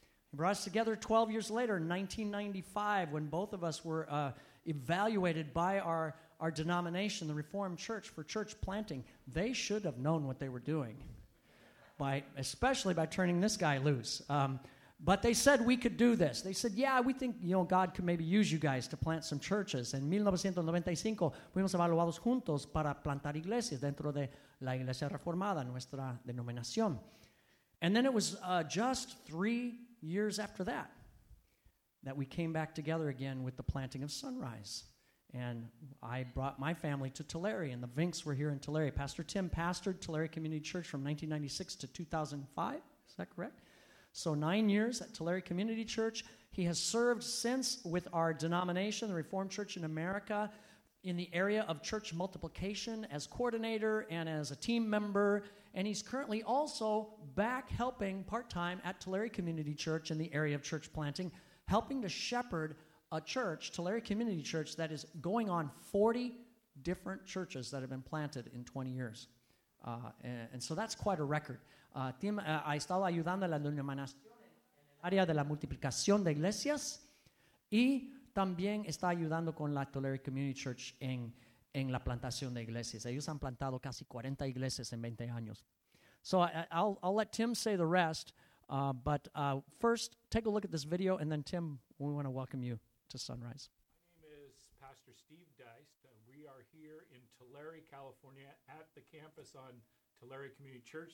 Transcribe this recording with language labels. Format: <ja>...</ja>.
<en>He brought us together 12 years later in 1995 when both of us were evaluated by our denomination, the Reformed Church, for church planting. They should have known what they were doing, especially by turning this guy loose. But they said we could do this. They said, yeah, we think, you know, God could maybe use you guys to plant some churches.</en> <es>En 1995 fuimos evaluados juntos para plantar iglesias dentro de la Iglesia Reformada, nuestra denominación.</es> <en>And then it was just 3 years after that we came back together again with the planting of Sunrise. And I brought my family to Tulare, and the Vinks were here in Tulare. Pastor Tim pastored Tulare Community Church from 1996 to 2005. Is that correct? So 9 years at Tulare Community Church. He has served since with our denomination, the Reformed Church in America, in the area of church multiplication as coordinator and as a team member. And he's currently also back helping part-time at Tulare Community Church in the area of church planting, helping to shepherd a church, Tulare Community Church, that is going on 40 different churches that have been planted in 20 years. And so that's quite a record.</en> <es>Tim ha estado ayudando a la denominación en el área de la multiplicación de iglesias y también está ayudando con la Tulare Community Church en la plantación de iglesias. Ellos han plantado casi 40 iglesias en 20 años.</es> <en>So I'll let Tim say the rest, but first, take a look at this video, and then Tim, we want to welcome you to Sunrise. My name is Pastor Steve Deist. We are here in Tulare, California, at the campus on Tulare Community Church.</en>